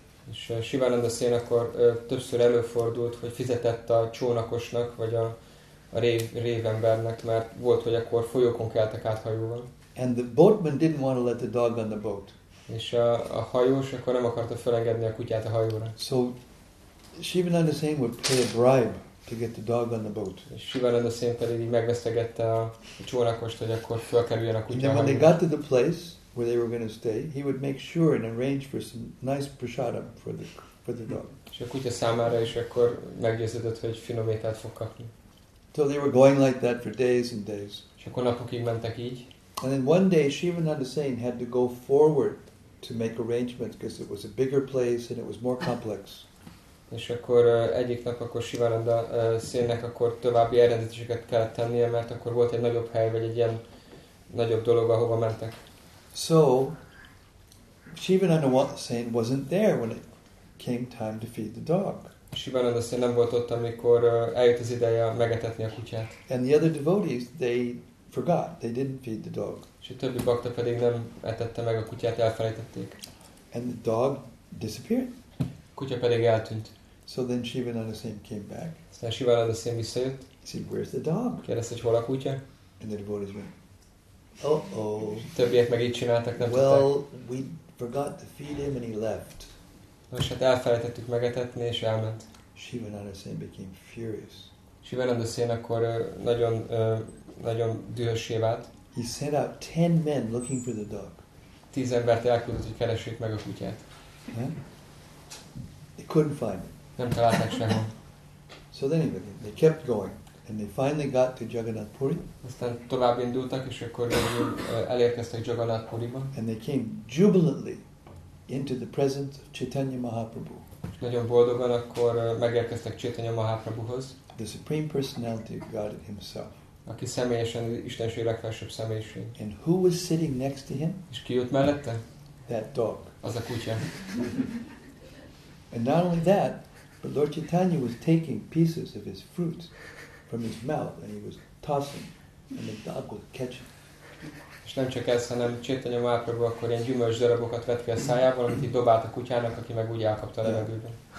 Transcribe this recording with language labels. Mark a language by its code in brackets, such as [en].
[hu] És Shivananda Sen akkor többször előfordult, hogy fizetett a csónakosnak, vagy a révembernek, mert volt, hogy akkor folyókon keltek át hajóval. [en] And the boatman didn't want to let the dog on the boat. [hu] És a hajós akkor nem akarta felengedni a kutyát a hajóra. [en] So Shivananda Sen would pay a bribe to get the dog on the boat. [hu] És Shivananda Sen pedig megvesztegette a csónakost, hogy akkor felkerüljön a kutya a hajóra. [en] And when they got to the place, where they were going to stay, he would make sure and arrange for some nice prasadam for the dog. [hu] És a kutya számára is akkor meggyőződött, hogy finom ételt fog kapni. [en] So they were going like that for days and days. [hu] És akkor napokig mentek így. [en] And then one day Shivananda Sen had to go forward to make arrangements because it was a bigger place and it was more complex. [hu] És akkor egyik nap akkor Shivananda Sennek akkor további elrendezéseket kellett tennie, mert akkor volt egy nagyobb hely, vagy egy ilyen nagyobb dolog, ahova mentek. [en] So Shivananda Sen wasn't there when it came time to feed the dog. [hu] Shivananda Sen nem volt ott, amikor eljött az ideje megetetni a kutyát. [en] And the other devotees, they forgot, they didn't feed the dog. [hu] És a többi bakta pedig nem etette meg a kutyát, elfelejtették. [en] And the dog disappeared. [hu] Kutya pedig eltűnt. [en] So then Shivananda Sen came back. [hu] Aztán Shivananda Sen visszajött. [en] He said, where's the dog? [hu] Kérdezte, hol a kutya? [en] And the devotees went, uh-oh. [hu] Többiek meg így csináltak, nem well, tudták. [en] We forgot to feed him and he left. [hu] Nos, hát elfelejtettük megetetni, és elment. [en] Shivananda Sen became furious. [hu] Shivananda Sen akkor nagyon, nagyon dühössé vált. [en] He sent out 10 men looking for the dog. [hu] 10 embert elküldött, hogy keressék meg a kutyát. [en] They couldn't find it. [hu] Nem találták sehol. [en] So then they kept going. And they finally got to Jagannath Puri. [hu] Aztán tovább indultak, és akkor elérkeztek Jagannath Puriba. [en] And they came jubilantly into the presence of Chaitanya Mahaprabhu. [hu] Nagyon boldogan akkor megérkeztek Chaitanya Mahaprabhuhoz. [en] The Supreme Personality of God himself. [hu] Aki személyesen Istenség legfelsőbb személyiség. [en] And who was sitting next to him? [hu] És ki ült mellette? [en] That dog. [hu] Az a kutya. [en] And not only that, but Lord Chaitanya was taking pieces of his fruits from his mouth and he was tossing and the dog would catch him. [hu] És nem csak ez, hanem Chaitanya Mahaprabhu akkor ilyen gyümölcs darabokat vett ki a szájából, amit így dobált a kutyának, aki meg úgy elkapta a levegőben.